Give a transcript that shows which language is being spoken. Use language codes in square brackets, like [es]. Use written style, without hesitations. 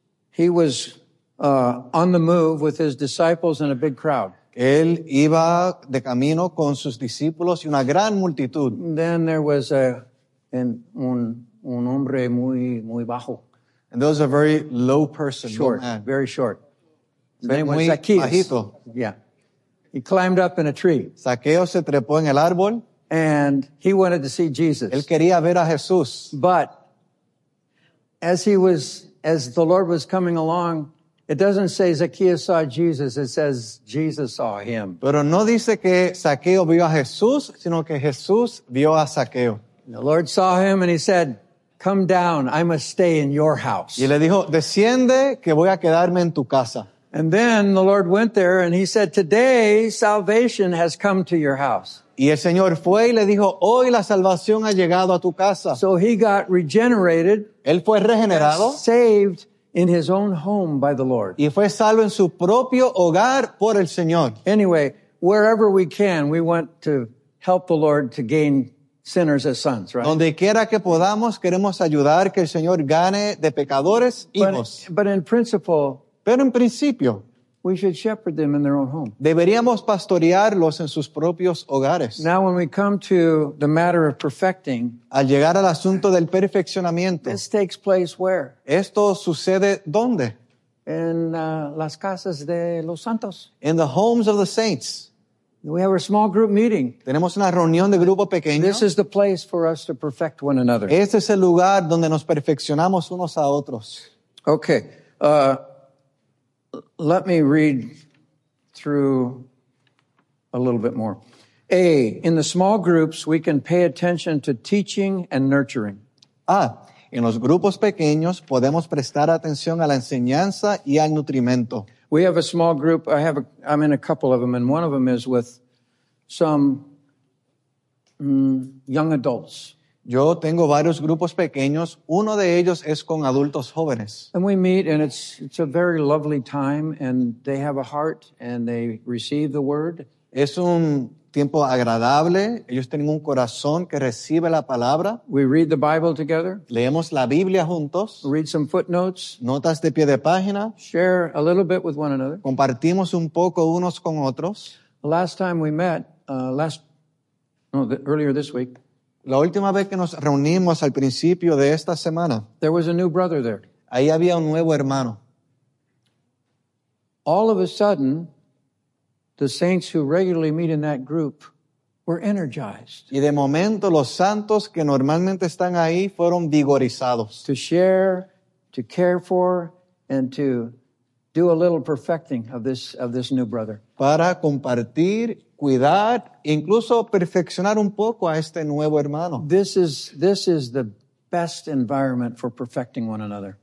[en] he was on the move with his disciples and a big crowd. [es] Él iba de camino con sus discípulos y una gran multitud. [en] Then there was [es] un hombre muy, muy bajo. [en] And there was a very low person. Short, low man. Very short. [es] Muy bajito. [en] Yeah. He climbed up in a tree. [es] Zaqueo se trepó en el árbol. [en] And he wanted to see Jesus. [es] Él quería ver a Jesús. [en] But as the Lord was coming along, it doesn't say Zacchaeus saw Jesus, it says Jesus saw him. [es] Pero no dice que Zaqueo vio a Jesús, sino que Jesús vio a Zaqueo. [en] The Lord saw him and he said, come down, I must stay in your house. [es] Y le dijo, desciende que voy a quedarme en tu casa. [en] And then the Lord went there and he said, today salvation has come to your house. [es] Y el Señor fue y le dijo, hoy la salvación ha llegado a tu casa. [en] So he got regenerated. [es] Él fue regenerado. [en] Saved in his own home by the Lord. [es] Y fue salvo en su propio hogar por el Señor. [en] Anyway, wherever we can, we want to help the Lord to gain sinners as sons, right? [es] Donde quiera que podamos, queremos ayudar que el Señor gane de pecadores hijos. [en] But in principle, [es] pero en principio, [en] we should shepherd them in their own home. [es] Deberíamos pastorearlos en sus propios hogares. [en] Now when we come to the matter of perfecting, [es] al llegar al asunto del perfeccionamiento, [en] this takes place where? [es] Esto sucede ¿dónde? En las casas de los santos. [en] In the homes of the saints. We have a small group meeting. [es] Tenemos una reunión de grupo pequeño. [en] This is the place for us to perfect one another. [es] Este es el lugar donde nos perfeccionamos unos a otros. [en] Okay. Let me read through a little bit more. A, in the small groups, we can pay attention to teaching and nurturing. [es] En los grupos pequeños, podemos prestar atención a la enseñanza y al nutrimiento. [en] We have a small group. I'm in a couple of them, and one of them is with some young adults. [es] Yo tengo varios grupos pequeños. Uno de ellos es con adultos jóvenes. [en] And we meet and it's a very lovely time and they have a heart and they receive the word. [es] Es un tiempo agradable. Ellos tienen un corazón que recibe la palabra. [en] We read the Bible together. [es] Leemos la Biblia juntos. [en] Read some footnotes. [es] Notas de pie de página. [en] Share a little bit with one another. [es] Compartimos un poco unos con otros. [en] The last time we met, earlier this week, [es] la última vez que nos reunimos al principio de esta semana, [en] there was a new brother there. [es] Ahí había un nuevo hermano. [en] All of a sudden, the saints who regularly meet in that group were energized. [es] Y de momento, los santos que normalmente están ahí fueron vigorizados. [en] To share, to care for, and to do a little perfecting of this new brother. [es] Para compartir, cuidar, incluso perfeccionar un poco a este nuevo hermano. [en] This is the best environment for perfecting one another.